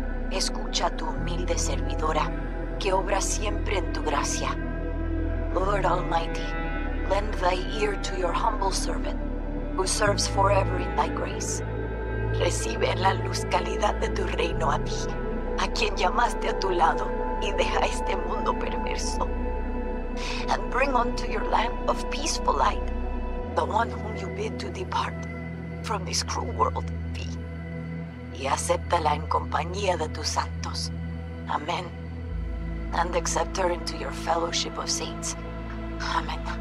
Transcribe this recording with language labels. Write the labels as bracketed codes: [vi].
[es] Escucha a tu humilde servidora, que obra siempre en tu gracia. [en] Lord Almighty, lend thy ear to your humble servant, who serves forever in thy grace. [es] Recibe la luz calidad de tu reino a ti, a quien llamaste a tu lado y deja este mundo perverso. [en] And bring unto your land of peaceful light the one whom you bid to depart from this cruel world be. [es] Y acéptala en compañía de tus santos. Amen. [en] And accept her into your fellowship of saints. Amen.